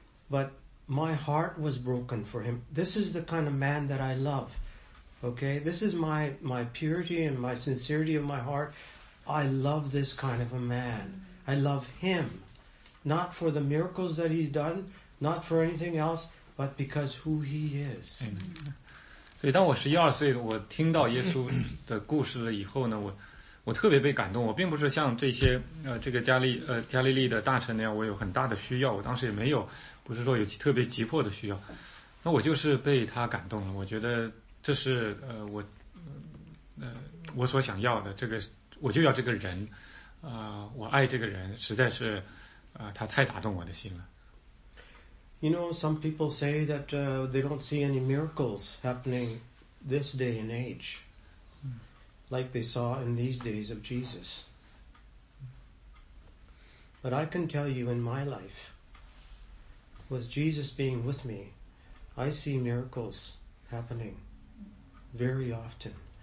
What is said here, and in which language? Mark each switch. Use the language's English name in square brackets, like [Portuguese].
[English] But my heart was broken for him. This is the kind of man that I love. Okay? This is my purity and my sincerity of my heart. I love this kind of a man. I love him. Not for the miracles that he's done, not for anything else, but because who he is. Amen. [Chinese] 所以当我十一二岁，我听到耶稣的故事了以后呢，我特别被感动。我并不是像这些这个加利利的大臣那样，我有很大的需要。我当时也没有，不是说有特别急迫的需要。那我就是被他感动了。我觉得这是我所想要的。这个我就要这个人，我爱这个人，实在是。他太打动我的心了。 [English] You know, some people say that they don't see any miracles happening this day and age, like they saw in these days of Jesus. But I can tell you in my life, with Jesus being with me, I see miracles happening very often.